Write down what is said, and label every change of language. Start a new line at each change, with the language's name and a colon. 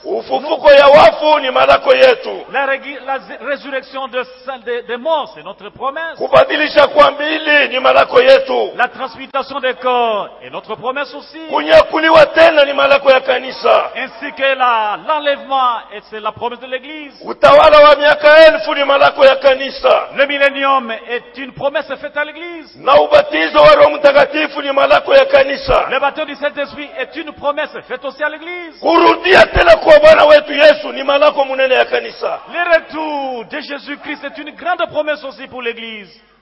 Swahili: Ufufuko ya wafu ni malako yetu.
French: La résurrection de morts, c'est notre promesse.
Swahili: Kubadilisha kwa mili ni malako yetu.
French: La transmutation des corps est notre promesse aussi.
Swahili: Kunyakuliwa tena ni malako ya kanisa.
French: Ainsi que l'enlèvement, et c'est la promesse de l'église.
Swahili: Utawala wa miaka elfu ni malako ya kanisa.
French: Le millénium est une promesse faite à l'église.
Swahili: Na ubatizo wa Roho Mtakatifu ni malako ya kanisa.
French: Le baptême du Saint-Esprit est une promesse faite aussi à l'église.
Swahili: Kurudia tena kwa Bwana wetu Yesu ni malako munene ya kanisa.
French: Le retour de Jésus-Christ est une grande promesse aussi pour l'église.